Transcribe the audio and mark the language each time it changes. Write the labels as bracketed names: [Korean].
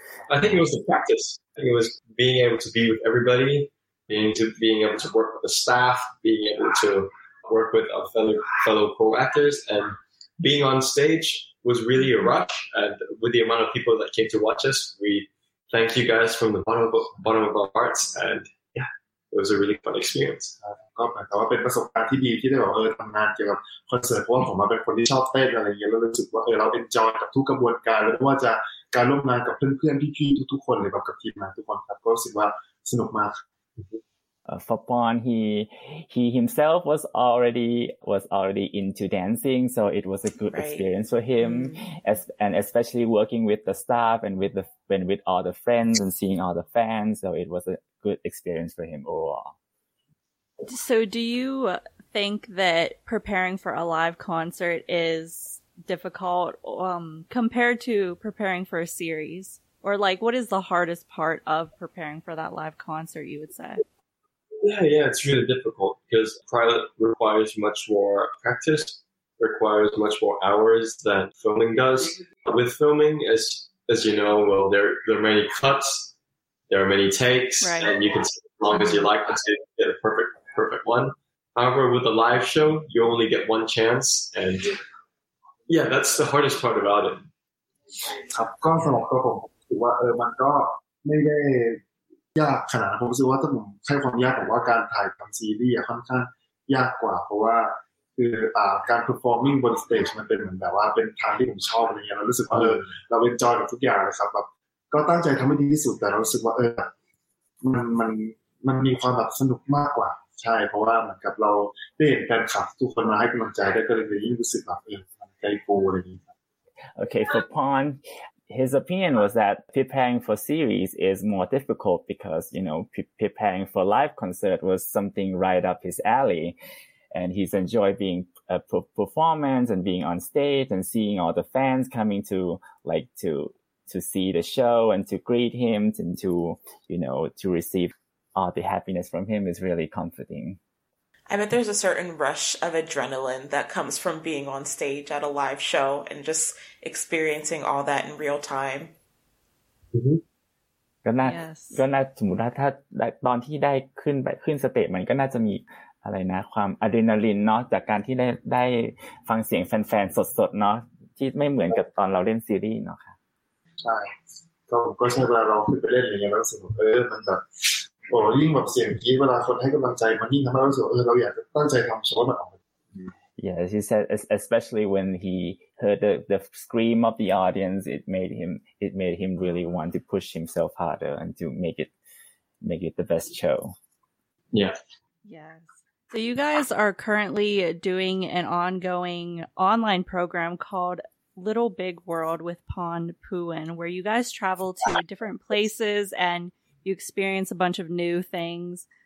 [English] I think it was the practice. It was being able to be with everybody, being able to work with the staff, being able to work with our fellow co-actors, and being on stage was really a rush. And with the amount of people that came to watch us, we thank you guys from the bottom of our hearts. And yeah, it was a really fun experience. But it was a good experience that I worked on the concert because I'm a person who likes to dance and I feel like we enjoy the whole process and that it's [Thai] การร่วมงานกับเพื่อนๆพี่ๆทุกๆคนเลยแบบกับทีมงานทุกคนครับก็รู้สึกว่าสนุกมาก [English] For Pon, he himself was already into dancing, so it was a good experience for him. And especially working with the staff and with all the friends and seeing all the fans, so it was a good experience for him overall. So, do you think that preparing for a live concert is difficult compared to preparing for a series, or like what is the hardest part of preparing for that live concert, you would say? Yeah, it's really difficult because pilot requires much more practice, requires much more hours than filming does. With filming, as you know, well, there are many cuts, there are many takes, right. And you can take as long as you like until you get a perfect one. However, with a live show, you only get one chance, and yeah, that's the hardest part about it. [Thai] ครับก็สำหรับตัวผมถือว่ามันก็ไม่ได้ยากขนาดนั้นผมรู้สึกว่าถ้าผมใช้ความยากผมว่าการถ่ายทำซีรีส์ค่อนข้างยากกว่าเพราะว่าคือการ performing บนสเตจมันเป็นเหมือนแบบว่าเป็นทางที่ผมชอบอะไรเงี้ยเรารู้สึกว่าเราเอนจอยกับทุกอย่างนะครับแบบก็ตั้งใจทำให้ดีที่สุดแต่เรารู้สึกว่ามันมีความแบบสนุกมากกว่าใช่เพราะว่าเหมือนกับเราได้เห็นการขับทุกคนมาให้กำลังใจได้ก็เลยยิ่งรู้สึกแบบ [English] Okay, for Pon, his opinion was that preparing for series is more difficult because, you know, preparing for live concert was something right up his alley. And he's enjoyed being a performance and being on stage and seeing all the fans coming to, like, to see the show and to greet him and to, you know, to receive all the happiness from him is really comforting. I bet there's a certain rush of adrenaline that comes from being on stage at a live show and just experiencing all that in real time. [Thai] ก็น่าก็น่าสมมุติว่าถ้าตอนที่ได้ขึ้นสเตจมันก็น่าจะมีอะไรนะความอะดรีนาลีนเนาะจากการที่ได้ฟังเสียงแฟนๆสดๆเนาะที่ไม่เหมือนกับตอนเราเล่นซีรีส์เนาะค่ะ ใช่ก็ใช่เวลาเราขึ้นไปเล่นอย่างเงี้ยแล้วรู้สึกมันแบบโอ้ยิ่งแบบเสียงที่เวลาคนให้กำลังใจมันยิ่งทำให้รู้สึกเราอยากตั้งใจทำโชว์มันออก [English] Yes, he said especially when he heard the scream of the audience, it made him really want to push himself harder and to make it the best show. Yeah. So you guys are currently doing an ongoing online program called Little Big World with Pon Puen, where you guys travel to different places and you experience a bunch of new things.